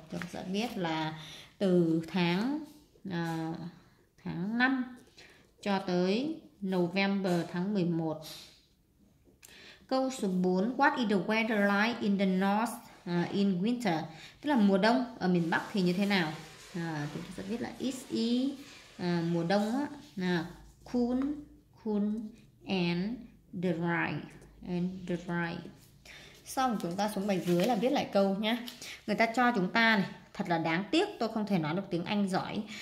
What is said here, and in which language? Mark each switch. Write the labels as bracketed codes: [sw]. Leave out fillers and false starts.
[vi] Chúng ta biết là từ tháng 5 cho tới November tháng 11. [en] Câu số 4, what is the weather like in the north in winter? [vi] Tức là mùa đông ở miền Bắc thì như thế nào? Chúng ta sẽ viết là mùa đông [en] cool and dry. [vi] Xong chúng ta xuống bài dưới là viết lại câu nhé. Người ta cho chúng ta này, thật là đáng tiếc tôi không thể nói được tiếng Anh giỏi.